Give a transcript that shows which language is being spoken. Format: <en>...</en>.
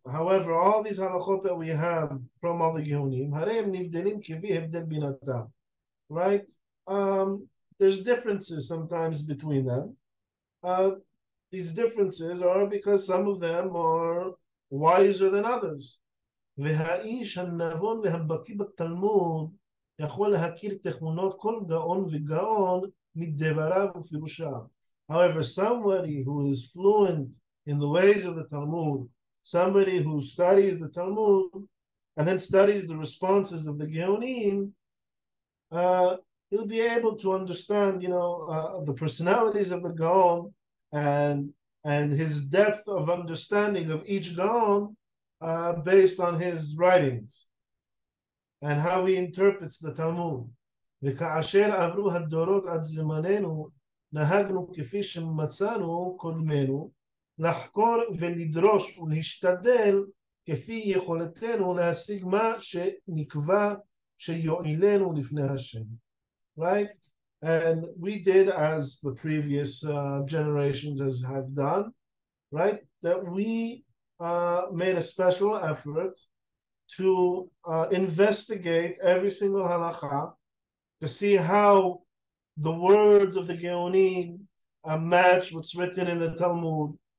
<en>However, all these halachot that we have from all the geonim,</en> <he>harem nivdelim kivi hevdel binatam,</he> <en>right? There's differences sometimes between them. These differences are because some of them are wiser than others.</en> <he>והאיש הנבון והבקי בתלמוד יכול להכיר תכונות כל גאון וגאון מדבריו ופירושיו.</he> <en>However, somebody who is fluent in the ways of the Talmud, somebody who studies the Talmud and then studies the responses of the Geonim, he'll be able to understand, you know, the personalities of the Gaon and his depth of understanding of each Gaon based on his writings and how he interprets the Talmud.</en> <he>וכאשר עברו הדורות עד זמננו, נהגנו כפי שמצאנו קודמנו, לחקור ולדרוש ולהשתדל כפי יכולתנו להשיג מה שנקבע שיועילנו לפני השם.</he> <en>Right? And we did as the previous generations as have done, right? That we made a special effort to investigate every single halakha to see how the words of the Geonim match what's written in the Talmud.</en>